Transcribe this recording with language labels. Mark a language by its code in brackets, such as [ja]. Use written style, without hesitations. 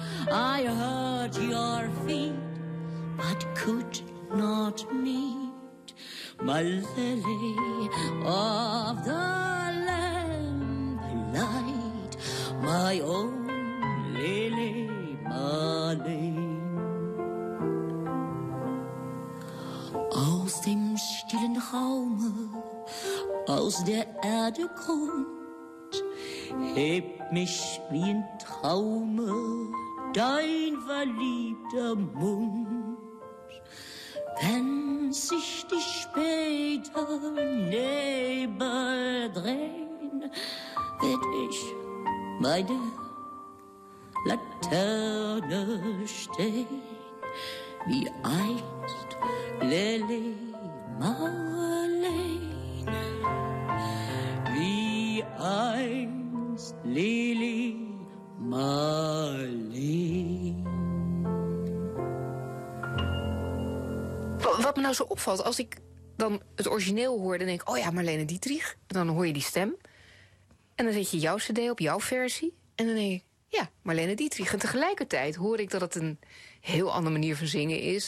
[en] I heard your feet, but could not meet my lily of the lamplight, my own Lily Marlene. [de] Aus dem stillen Raume, aus der Erde kommt, heb mich wie ein Traume dein verliebter Mund. Wenn sich die späten Nebel drehen, werd ich meine Laterne stehen, wie einst Lily Marlene, wie einst Lily Marlene. [nl] Wat me nou zo opvalt, als ik dan het origineel hoor, dan denk ik, oh ja, Marlene Dietrich, dan hoor je die stem. En dan zet je jouw cd op jouw versie, en dan denk ik, Ja, Marlene Dietrich. En tegelijkertijd hoor ik dat het een heel andere manier van zingen is.